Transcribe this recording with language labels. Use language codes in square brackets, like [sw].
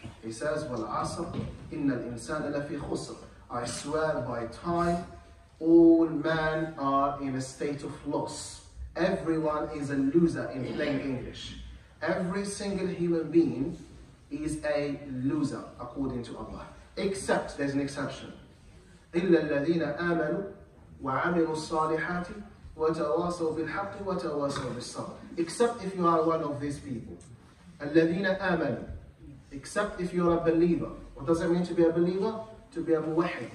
[en] He says, [ar] "Wal asr, inna al-insan illa fi khusr." [en] I swear by time, all men are in a state of loss. Everyone is a loser in plain English. Every single human being is a loser, according to Allah. Except, there's an exception. [ar] إلا الذين آمنوا وعملوا الصالحات وتواصوا بالحق وتواصوا بالصبر. [en] Except if you are one of these people. [ar] الذين آمنوا. [en] Except if you are a believer. What does it mean to be a believer? To be a muwahid.